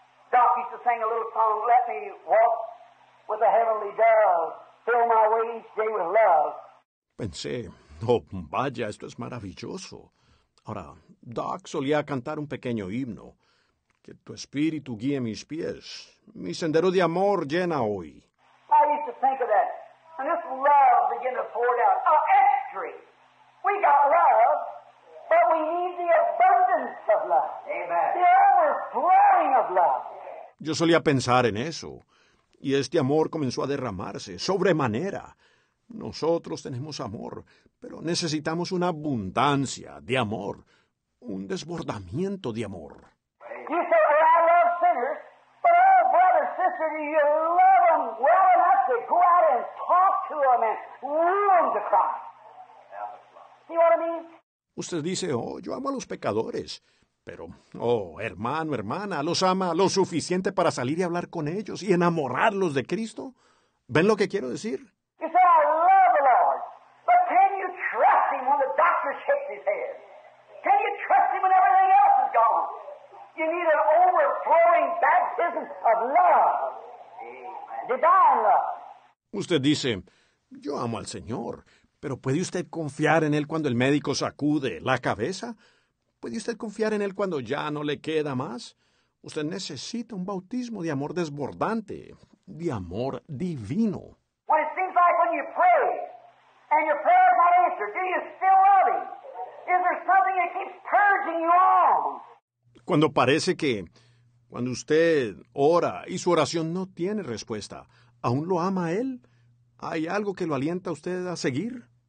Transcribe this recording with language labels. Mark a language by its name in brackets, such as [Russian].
[English] Doc used to sing a little song, let me walk with a heavenly dove, fill my way each day with love. [Spanish] Pensé, oh, vaya, esto es maravilloso. Ahora, Doc solía cantar un pequeño himno. Que tu espíritu guíe mis pies. Mi sendero de amor llena hoy. [English] I used to think of that. And this love began to pour down. Oh, extra. We got love, but we need the abundance of love. Amen. The overflowing of love. [Spanish] Yo solía pensar en eso. Y este amor comenzó a derramarse, sobremanera. Nosotros tenemos amor, pero necesitamos una abundancia de amor, un desbordamiento de amor. [English] You say, well, I love sinners, but oh, brother, sister, do you love them well enough to go out and talk to them and woo them to Christ? See what I mean? [Spanish] Usted dice, oh, yo amo a los pecadores, pero, oh, hermano, hermana, los ama lo suficiente para salir y hablar con ellos y enamorarlos de Cristo. ¿Ven lo que quiero decir? [English] You say, I love the Lord, but can you trust him when the doctor shakes his head? Can you trust him when everything else is gone? You need an overflowing baptism of love. Divine love. [Spanish] Usted dice, yo amo al Señor, pero ¿puede usted confiar en él cuando el médico sacude la cabeza? ¿Puede usted confiar en él cuando ya no le queda más? Usted necesita un bautismo de amor desbordante, de amor divino. [English] When it seems like when you pray, and your prayer is not answered, do you still love him? Is there something that keeps purging you on? [Spanish] Cuando parece que, cuando usted ora y su oración no tiene respuesta, ¿aún lo ama a él? ¿Hay algo que lo alienta a usted a seguir?